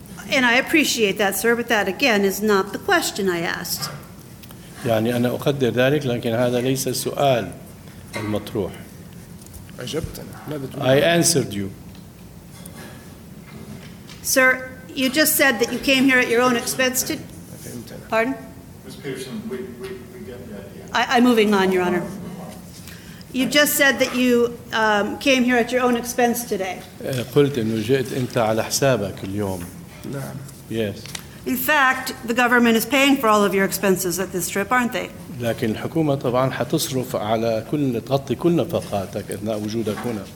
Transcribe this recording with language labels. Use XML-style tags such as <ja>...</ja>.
<en>And I appreciate that, sir, but that again is not the question I asked.</en> <ar>يعني أنا أقدر ذلك لكن هذا ليس السؤال المطروح. عجبتنا.</ar> <en>I answered you. Sir, you just said that you came here at your own expense to. Pardon? Ms. Pearson, we get that. Yeah. I'm moving on, Your Honor. You just said that you came here at your own expense today.</en> <ar>قلت إنه جئت أنت على حسابك اليوم. نعم.</ar> <en>Yes. In fact, the government is paying for all of your expenses at this trip, aren't they?</en> <ar>لكن الحكومة طبعاً حتصرف على كل تغطي كل نفقاتك أثناء وجودك هنا.</ar>